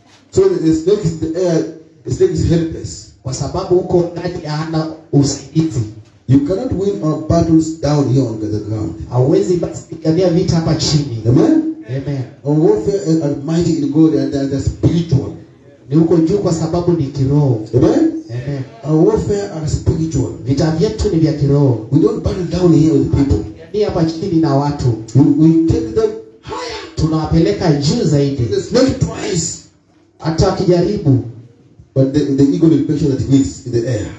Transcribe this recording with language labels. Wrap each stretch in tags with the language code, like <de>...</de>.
<en>So the snake is in the air, the snake is helpless.</en> <sw>Kwa sababu huko ndani hana usaidizi.</sw> <en>You cannot win our battles down here on the ground.</en> <sw>Hawezi kupigania vita hapa chini.</sw> <en>Amen. Amen. Our warfare is almighty in God and that is spiritual.</en> <sw>Ni huko juu kwa sababu ni kiroho.</sw> <en>Amen. Amen. Our warfare are spiritual.</en> <sw>Vita vyetu ni vya kiroho.</sw> <en>We don't battle down here with people.</en> <sw>Ni hapa chini na watu.</sw> <en>We take them higher.</en> <sw>Tunawapeleka juu zaidi.</sw> <en>Not twice.</en> <sw>Atakijaribu.</sw> <en>But the eagle will make sure that he wins in the air.</en>